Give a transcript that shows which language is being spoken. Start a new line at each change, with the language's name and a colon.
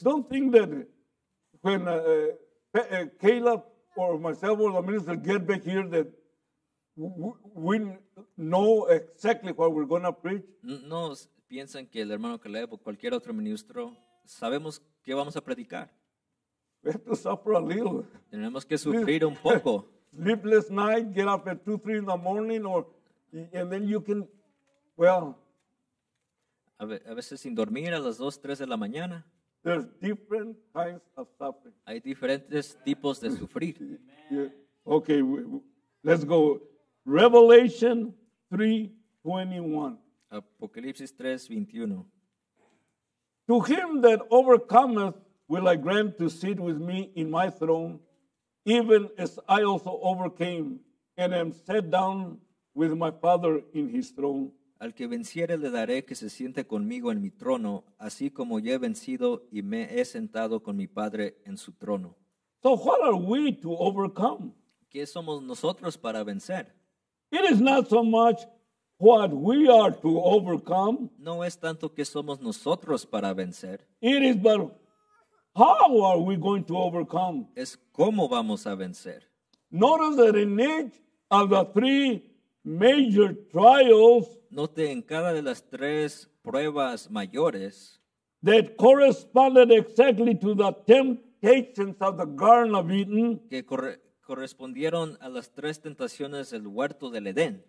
English: Don't think that when Caleb or myself or the minister get back here that we know exactly what we're going to preach.
Spanish: No piensen que el hermano Caleb o cualquier otro ministro sabemos qué vamos a predicar.
English: We have to suffer a little.
Spanish: Tenemos que sufrir un poco.
English: Sleepless night, get up at 2-3 in the morning, or and then you can, well.
Spanish: A veces sin dormir a las 2-3 de la mañana.
English: There's different kinds of suffering.
Spanish: Hay diferentes tipos de sufrir.
English: Yeah. Okay, let's go. Revelation 3:21.
Spanish: Apocalipsis 3:21.
English: To him that overcometh will I grant to sit with me in my throne, even as I also overcame and am set down with my Father in his throne.
Spanish: Al que venciere le daré que se siente conmigo en mi trono, así como yo he vencido y me he sentado con mi Padre en su trono.
English: So what are we to overcome?
Spanish: ¿Qué somos nosotros para vencer?
English: It is not so much what we are to overcome.
Spanish: No es tanto que somos nosotros para vencer.
English: It is but how are we going to overcome?
Spanish: Es cómo vamos a vencer.
English: Notice that in each of the three major trials,
Spanish: note en cada de las tres pruebas mayores,
English: that corresponded exactly to the temptations of the Garden of Eden,
Spanish: que correspondieron a las tres tentaciones del huerto del Edén.